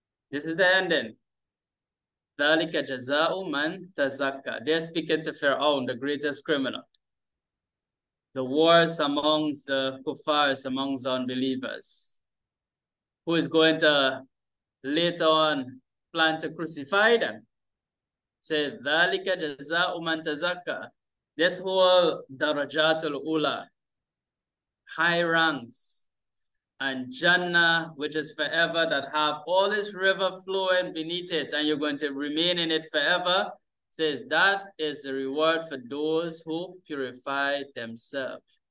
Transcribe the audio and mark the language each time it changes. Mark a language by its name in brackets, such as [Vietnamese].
[English] This is the ending. [Arabic] ذَلِكَ جَزَاءُ مَنْ تَزَكَّى. [English] They're speaking to Fir'aun, the greatest criminal. The worst amongst the kuffars, amongst the unbelievers. Who is going to later on plan to crucify them. Say, [Arabic] ذَلِكَ جَزَاءُ مَنْ تَزَكَّى. [English] This whole darajatul ula, high ranks, and Jannah, which is forever, that have all this river flowing beneath it, and you're going to remain in it forever, says that is the reward for those who purify themselves.